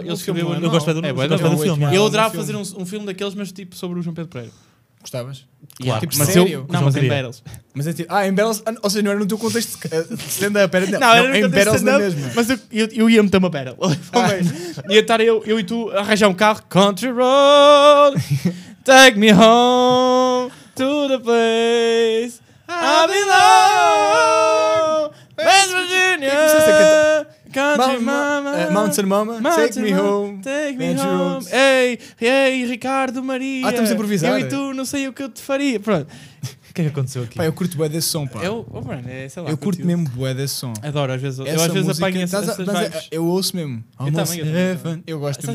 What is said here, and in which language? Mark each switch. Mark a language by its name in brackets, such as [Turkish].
[Portuguese] Eu gosto do filme. Eu adorava fazer um filme daqueles, mas tipo sobre o João Pedro Pereira. Gostavas? Claro, tipo, mas sério? Não, mas em Battles. Mas é tipo, em Battles, ou seja, não era no teu contexto de stand-up, era não, era em Battles não mesmo. Mas eu ia meter uma Battle. Ah. Ia estar eu e tu a arranjar um carro. [English] Country road, take me home to the place I belong, West Virginia. Mountain Mama, take me home. Take me home. [Portuguese] Ei, Ricardo Maria. Ah, estamos a improvisar. Eu e tu, não sei o que eu te faria. Pronto. O que é que aconteceu aqui? Pá, eu curto bué desse som, pá. Eu curto mesmo bué desse som. Adoro, às vezes. Essa eu às vezes música, apanho essas vibes. Mas eu ouço mesmo. Eu também. Eu gosto mesmo dessa música.